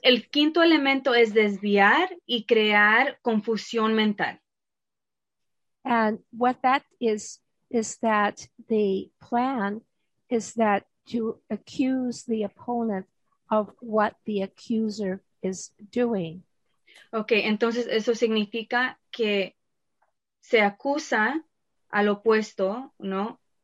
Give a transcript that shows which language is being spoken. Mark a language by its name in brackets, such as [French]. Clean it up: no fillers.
[Spanish] El quinto elemento es desviar y crear confusión mental. [English] And what that is that the plan is that to accuse the opponent of what the accuser is doing. [Spanish] Okay, entonces eso significa que se acusa al opuesto, ¿no?